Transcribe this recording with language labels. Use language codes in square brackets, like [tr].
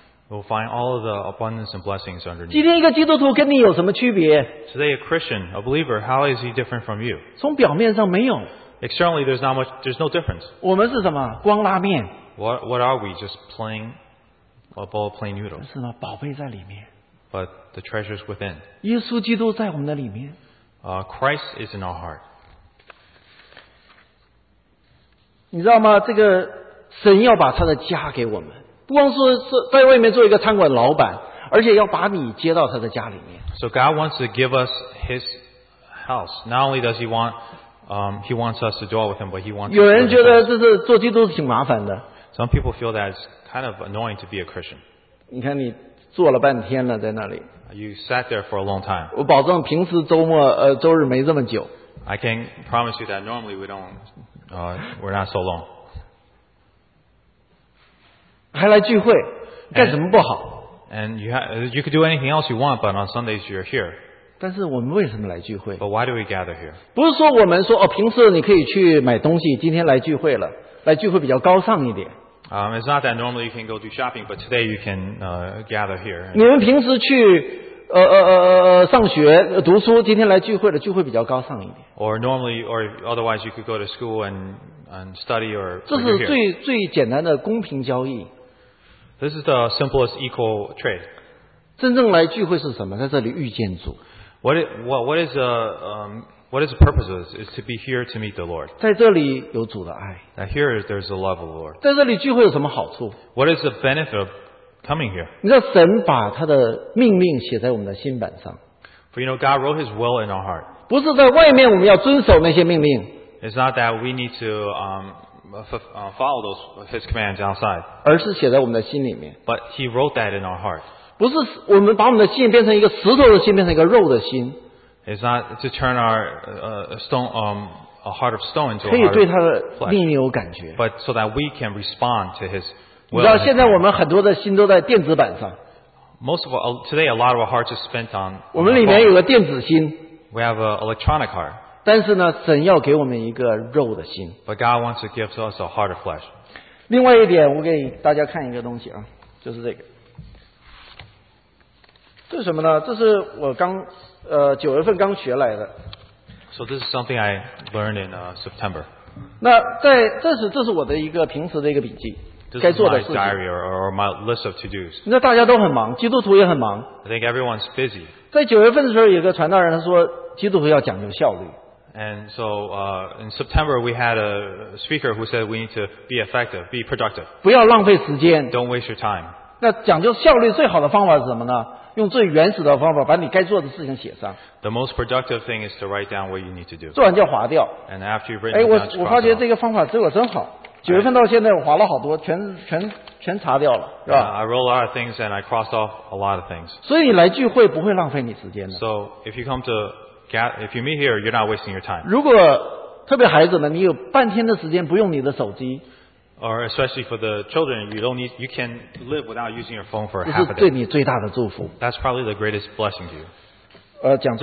[en] we'll find all of the abundance and blessings underneath. [zh] 今天一个基督徒跟你有什么区别? [en] Today a Christian, a believer, how is he different from you? [zh] 从表面上没有, [en] externally there's not much, there's no difference. [zh] 我们是什么?光拉面, [en] what are we? Just plain, a bowl of plain noodles. [zh] 是什么?宝贝在里面, [en] but the treasures within. [zh] 耶稣基督在我们的里面, [en] Christ is in our heart. [zh] 你知道吗? 这个神要把他的家给我们, 不光是在外面做一个餐馆老板, 而且要把你接到他的家里面。 [en] So God wants to give us His house. Not only does He want, He wants us to dwell with Him, but He wants. [zh] 有人觉得这是做基督徒挺麻烦的。 [en] Some people feel that it's kind of annoying to be a Christian. [zh] 你看你坐了半天了在那里。 [en] You sat there for a long time. [zh] 我保证平时周末周日没这么久。 [en] I can promise you that normally we don't, we're not so long. [zh] 还来聚会, 干什么不好? [en] And you could do anything else you want, but on Sundays you're here. [zh] 但是我们为什么来聚会? [en] But why do we gather here? [zh] 不是说我们说, 哦, 平时你可以去买东西, 今天来聚会了, 来聚会比较高尚一点。 [en] It's not that normally you can go do shopping, but today you can gather here. [zh] 你们平时去, 上学, 读书, 今天来聚会了, 聚会比较高尚一点。 [en] Or normally, or otherwise you could go to school and study or here. [zh] 这是最简单的公平交易。 [en] This is the simplest equal trade. [zh] 真正来聚会是什么?在这里遇见主。 [en] What is the purpose of this? Is to be here to meet the Lord. [zh] 在这里有主的爱。 [en] Now here is, there's the love of the Lord. [zh] 在这里聚会有什么好处? [en] What is the benefit of coming here? [zh] 你知道神把他的命令写在我们的心板上。 [en] For you know, God wrote His will in our heart. [zh] 不是在外面我们要遵守那些命令。 [en] It's not that we need to follow those His commands outside. [zh] 而是写在我们的心里面。 [en] But He wrote that in our heart. [zh] 不是我们把我们的心变成一个石头的心，变成一个肉的心。 [en] It's not to turn our stone, a heart of stone into a heart. [zh] 可以对他的命令有感觉。 [en] But so that we can respond to His will. [zh] 你知道现在我们很多的心都在电子版上。 [en] Most of all, today a lot of our hearts are spent on. [zh] 我们里面有个电子心。 [en] We have an electronic heart. [zh] 但是呢，神要给我们一个肉的心。 [en] But God wants to give us a heart of flesh. [zh] 另外一点，我给大家看一个东西啊，就是这个。这是什么呢?这是我刚, 9月份刚学来的。 [en] So this is something I learned in September. [zh] 那在, 这是我的一个平时的一个笔记, [en] this is my diary or my list of to-dos. [zh] 那大家都很忙, 基督徒也很忙。 [en] I think everyone's busy. [zh] 在9月份的时候有一个传道人说, 基督徒要讲究效率。 [en] And so in September we had a speaker who said we need to be effective, be productive. [zh] 不要浪费时间。 [en] Don't waste your time. [zh] 那讲究效率最好的方法是什么呢?用最原始的方法把你该做的事情写上。 [en] The most productive thing is to write down what you need to do. [zh] 做完就划掉。 [en] And after you've written it down, [zh] 我发觉这个方法对我真好。9月份到现在我划了好多，全查掉了。 [en] Yeah, I wrote a lot of things and I crossed off a lot of things. [zh] 所以你来聚会不会浪费你时间的。 [en] So if you come to, if you meet here, you're not wasting your time. [zh] 如果特别孩子呢，你有半天的时间不用你的手机。 [en] Or especially for the children, you don't need, you can live without using your phone for a half a day. [zh] 这是对你最大的祝福。 [en] That's probably the greatest blessing to you.